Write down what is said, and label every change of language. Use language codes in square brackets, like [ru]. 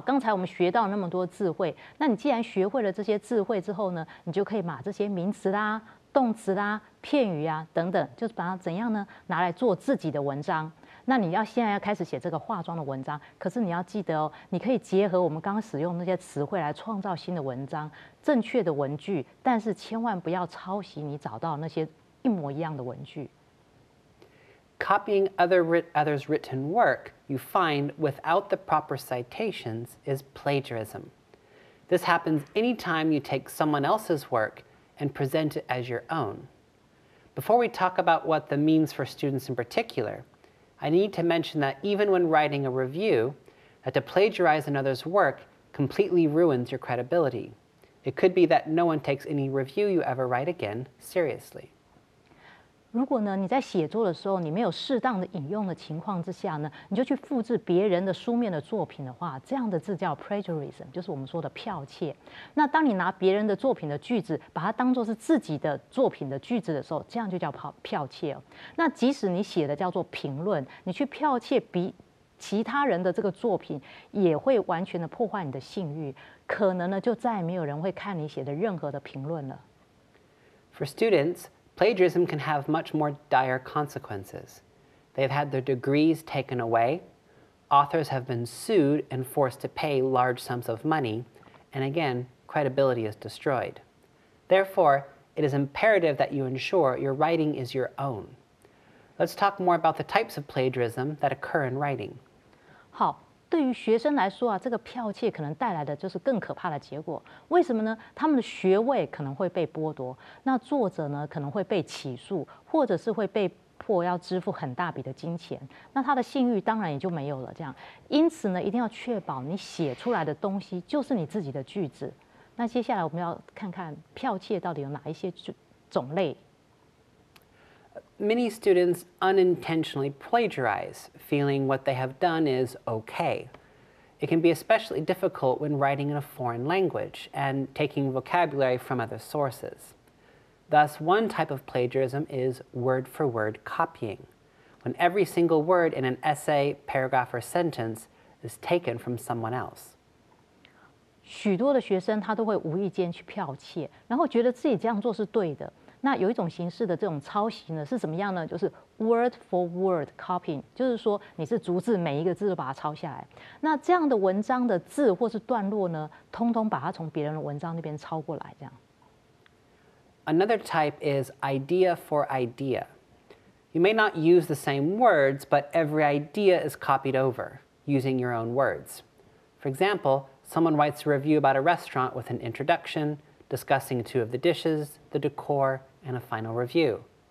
[zh] 刚才我们学到那么多智慧，那你既然学会了这些智慧之后呢，你就可以把这些名词啦、动词啦、片语啊等等，就是把它怎样呢，拿来做自己的文章。那你要现在要开始写这个化妆的文章，可是你要记得哦，你可以结合我们刚刚使用那些词汇来创造新的文章，正确的文句，但是千万不要抄袭你找到那些一模一样的文句。 [en] Copying others' written work you find without the proper citations is plagiarism. This happens any time you take someone else's work and present it as your own. Before we talk about what that means for students in particular, I need to mention that even when writing a review, that to plagiarize another's work completely ruins your credibility. It could be that no one takes any review you ever write again seriously. [zh] 如果呢你在写作的时候你没有适当的引用的情况之下呢，你就去复制别人的书面的作品的话，这样的字叫 plagiarism， 就是我们说的剽窃。那当你拿别人的作品的句子把它当作是自己的作品的句子的时候，这样就叫剽窃、哦、那即使你写的叫做评论，你去剽窃其他人的这个作品，也会完全的破坏你的信誉，可能呢就再也没有人会看你写的任何的评论了。 [en] For studentsPlagiarism can have much more dire consequences. They've had their degrees taken away, authors have been sued and forced to pay large sums of money, and again, credibility is destroyed. Therefore, it is imperative that you ensure your writing is your own. Let's talk more about the types of plagiarism that occur in writing. [zh] 好。对于学生来说啊，这个剽窃可能带来的就是更可怕的结果。为什么呢？他们的学位可能会被剥夺，那作者呢可能会被起诉，或者是会被迫要支付很大笔的金钱，那他的信誉当然也就没有了。这样，因此呢，一定要确保你写出来的东西就是你自己的句子。那接下来我们要看看剽窃到底有哪一些种类。 [en] Many students unintentionally plagiarize, feeling what they have done is okay. It can be especially difficult when writing in a foreign language and taking vocabulary from other sources. Thus, one type of plagiarism is word-for-word copying, when every single word in an essay, paragraph, or sentence is taken from someone else. [zh] 许多的学生他都会无意间去剽窃，然后觉得自己这样做是对的。那有一种形式的这种抄袭呢，是怎么样呢？就是 word for word copying， 就是说你是逐字每一个字都把它抄下来。那这样的文章的字或是段落呢，通通把它从别人的文章那边抄过来，这样。 [en] Another type is idea for idea. You may not use the same words, but every idea is copied over using your own words. For example, someone writes a review about a restaurant with an introduction. Discussing two of the dishes, the decor, and a final review.